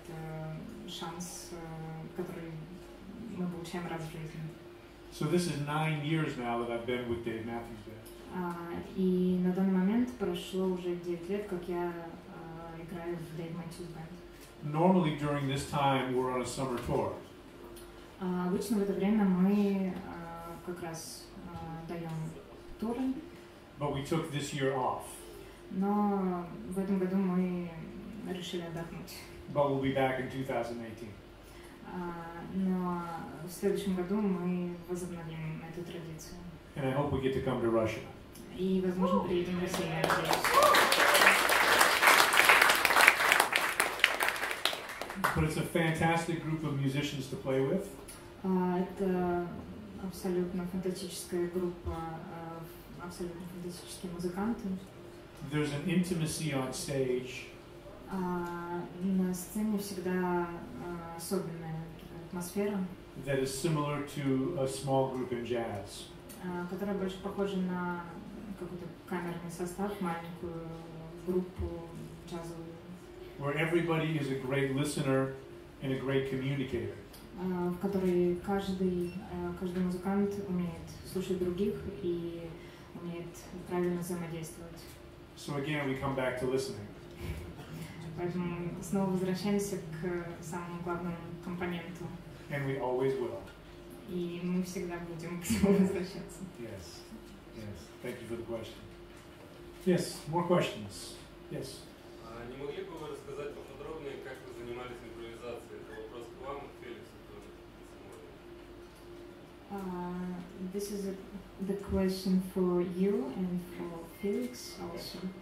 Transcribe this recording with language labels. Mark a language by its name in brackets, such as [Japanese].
[Russian] Это шанс, который мы получаем раз в жизни. [English] So this is 9 years now that I've been with Dave Matthews Band. [Russian] И на данный момент прошло уже 9 лет, как я играю в Dave Matthews Band. [English] Normally during this time we're on a summer tour. [Russian] Обычно в это время мы как раз даем туры. [English] But we took this year off. [Russian] Но в этом году мы решили отдохнуть. [English] But we'll be back in 2018. [Russian] Но в следующем году мы возобновим эту традицию. [English] And I hope we get to come to Russia. [Russian] И возможно приедем в Россию. [English] But it's a fantastic group of musicians to play with. [Russian] Это абсолютно фантастическая группа, абсолютно фантастические музыканты. [English] There's an intimacy on stage. [Russian] На сцене всегда особенная атмосфера. [English] That is similar to a small group in jazz. [Russian] Которая больше похожа на какой-то камерный состав, маленькую группу джазовую. [English] Where everybody is a great listener and a great communicator. [Russian] В которой каждый музыкант умеет слушать других и умеет правильно взаимодействовать. [English] So again, we come back to listening. [Russian] Поэтому снова возвращаемся к самому главному компоненту. [English] And we always will. [Russian] И мы всегда будем к нему возвращаться. [English] Yes. Yes. Thank you for the question. Yes. More questions. Yes. [Russian] Не могли бы вы рассказать поподробнее, как вы занимались импровизацией? Это вопрос к вам, к Феликсу тоже. [English] This is the question for you and for Felix also.